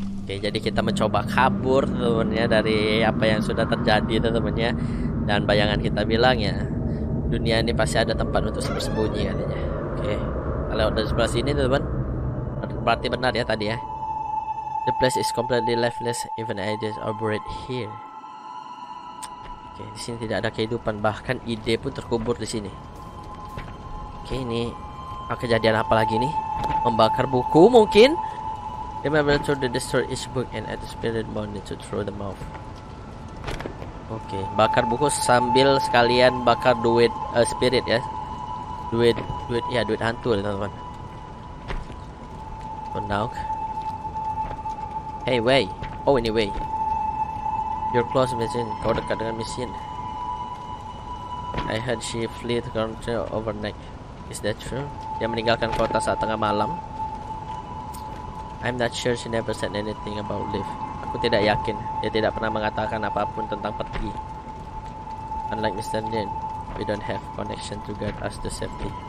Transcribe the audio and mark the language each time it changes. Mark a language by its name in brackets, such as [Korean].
[Indonesian] Okay, jadi kita mencoba kabur, teman-temannya, dari apa yang sudah terjadi, teman-temannya. Dan bayangan kita bilang ya, dunia ini pasti ada tempat untuk bersembunyi katanya. Okay, kita lewat dari sebelah sini, teman-teman. Berarti benar ya tadi ya. [English] The place is completely lifeless, even ideas are buried here. [Indonesian] Oke, di sini tidak ada kehidupan, bahkan ide pun terkubur di sini. Oke, ini kejadian apa lagi nih? Membakar buku mungkin. [English] Remember to destroy each book and add spirit bond to throw them off. [Indonesian] Oke, bakar buku sambil sekalian bakar duit spirit ya. Duit ya, duit hantu, teman-teman. [English] For now. Hey, way. Oh, anyway. You're close, mission. [Indonesian] Kau dekat dengan mission. [English] I heard she fled the country overnight. Is that true? [Indonesian] Dia meninggalkan kota saat tengah malam. [English] I'm not sure she never said anything about leave. [Indonesian] Aku tidak yakin. Dia tidak pernah mengatakan apapun tentang pergi. [English] Unlike Mr. Lin, we don't have connection to guide us to safety.